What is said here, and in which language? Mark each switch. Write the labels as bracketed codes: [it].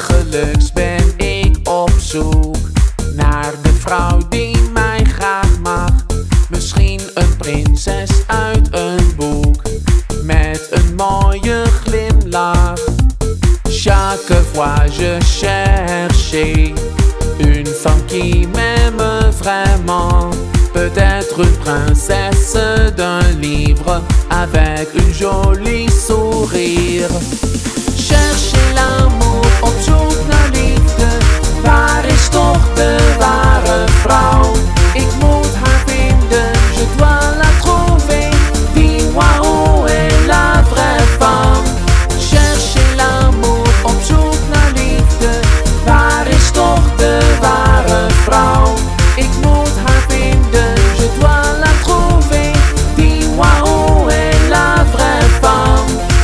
[nl] dus ben ik op zoek naar de vrouw die mij graag mag. Misschien een prinses uit een boek met een mooie glimlach. [fr] Chaque fois je cherche une femme qui m'aime vraiment. Peut-être une princesse d'un livre avec une jolie sourire. Chercher l'amour [nl] op zoek naar liefde, waar is toch de ware vrouw? Ik moet haar vinden, [fr] je dois la trouver, dis-moi où est la vraie femme. Chercher l'amour [nl] op zoek naar liefde, waar is toch de ware vrouw? Ik moet haar vinden, [fr] je dois la trouver, dis-moi où est la vraie femme.